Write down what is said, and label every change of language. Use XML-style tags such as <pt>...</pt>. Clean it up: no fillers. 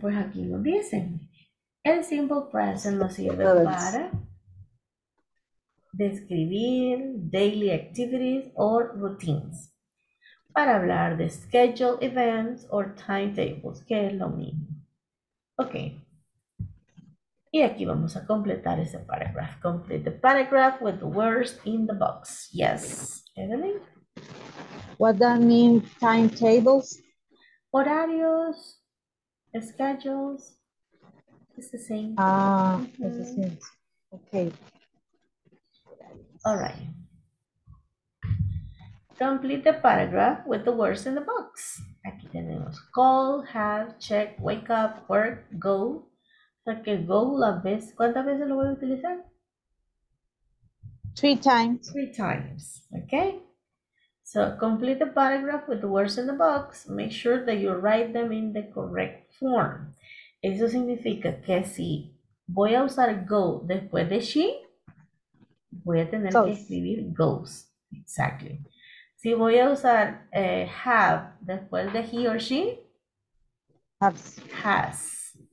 <es>Pues aquí lo dicen. El simple present nos sirve para describir</es> <en>daily activities or routines.</en> <es>Para hablar de</es> <en>schedule events or timetables,</en> <es>que es lo mismo. Ok. Y aquí vamos a completar ese paragraph.</es> <en>Complete the paragraph with the words in the box. Yes, Evelyn. What does that mean, timetables? Horarios, schedules, it's the same. It's the same. Okay. All right. Complete the paragraph with the words in the box.</en> <es>Aquí tenemos call, have, check, wake up, work, go. Porque go la vez, ¿cuántas veces lo voy a utilizar?</es> <en>Three times. Three times, okay? So complete the paragraph with the words in the box. Make sure that you write them in the correct form.</en> <es>Eso significa que si voy a usar go después de she, voy a tener que escribir goes.</es> <en>Exactly.</en> <es>Si voy a usar have después de he or she,</es> <en>has.</en>